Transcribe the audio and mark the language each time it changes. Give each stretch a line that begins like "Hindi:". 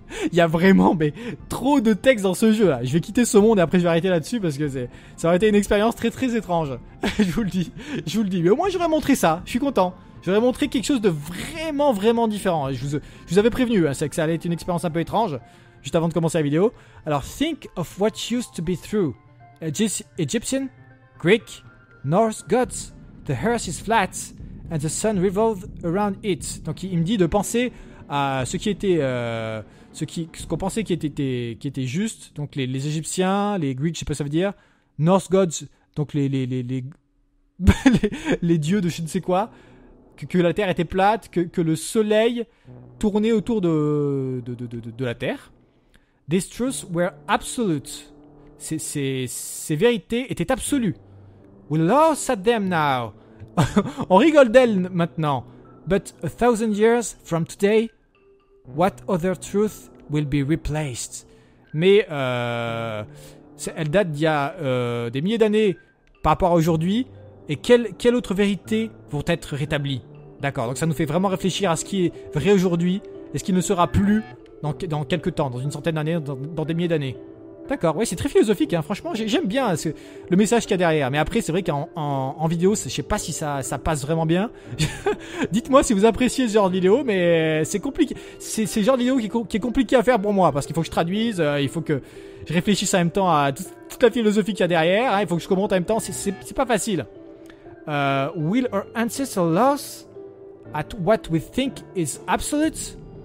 French: Il y a vraiment trop de textes dans ce jeu là. Je vais quitter ce monde et après je vais arrêter là-dessus parce que ça aurait été une expérience très très étrange. Je vous le dis. Mais au moins j'aurais montré ça. Je suis content. J'aurais montré quelque chose de vraiment vraiment différent. Je vous avais prévenu, hein, c'est que ça allait être une expérience un peu étrange. Juste avant de commencer la vidéo.
English: Alors, think of what used to be through. Egyptian, Greek, Norse gods, the earth is flat, and the sun revolves around it.
French: Donc, il me dit de penser à ce qui était. Ce qu'on pensait qui était juste. Donc, les Égyptiens, les Greeks, je sais pas ce que ça veut dire.
English: Norse gods,
French: donc les dieux de je ne sais quoi. Que la terre était plate, que le soleil tournait autour de la terre.
English: These truths were absolute.
French: Ces vérités étaient absolues.
English: We laugh at them now.
French: On rigole d'elles maintenant.
English: But a thousand years from today, what other truth will be replaced?
French: Mais elle date d'il y a des milliers d'années par rapport à aujourd'hui. Et quelle autre vérité vont être rétablies? D'accord, donc ça nous fait vraiment réfléchir à ce qui est vrai aujourd'hui et ce qui ne sera plus. Dans quelques temps, dans une centaine d'années, dans des milliers d'années. D'accord, ouais, c'est très philosophique, hein. Franchement, j'aime bien le message qu'il y a derrière. Mais après, c'est vrai qu'en vidéo, je sais pas si ça passe vraiment bien. Dites-moi si vous appréciez ce genre de vidéo, mais c'est compliqué. C'est le genre de vidéo qui est compliqué à faire pour moi, parce qu'il faut que je traduise, il faut que je réfléchisse en même temps à toute la philosophie qu'il y a derrière, hein. Il faut que je commente en même temps, c'est pas facile.
English: Will our ancestors lose at what we think is absolute?